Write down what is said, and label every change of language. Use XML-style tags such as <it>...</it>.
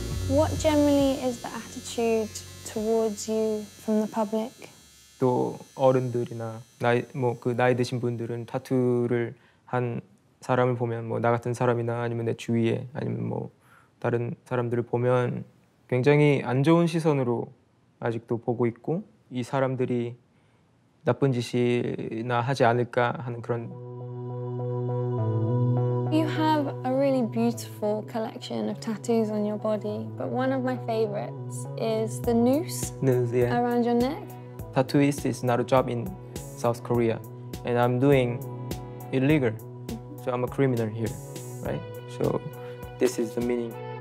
<en>Yeah, What generally is the attitude towards you from the public?</en> <ko>또 어른들이나 나이 뭐 그 나이 드신 분들은 타투를 한 사람을 보면 뭐 나 같은 사람이나 아니면 내 주위에 아니면 뭐 다른 사람들을 보면 굉장히 안 좋은 시선으로 아직도 보고 있고 이 사람들이 나쁜 짓이나 하지 않을까 하는 그런</ko> <en>You have a really beautiful collection of tattoos on your body, but one of my favorites is the noose, noose yeah. around your neck. Tattooist is not a job in South Korea, and I'm doing illegal. So I'm a criminal here, right? So this is the meaning.</en>